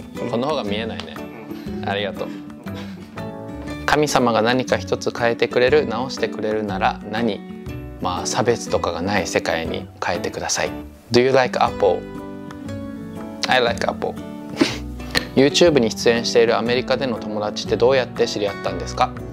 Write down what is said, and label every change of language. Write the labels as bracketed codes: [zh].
[ja] この方が見えないね。ありがとう。神様が何か一つ変えてくれる、直してくれるなら何？差別とかがない世界に変えてください。 [en] Do you like apple? I like apple. [ja] YouTube に出演しているアメリカでの友達ってどうやって知り合ったんですか？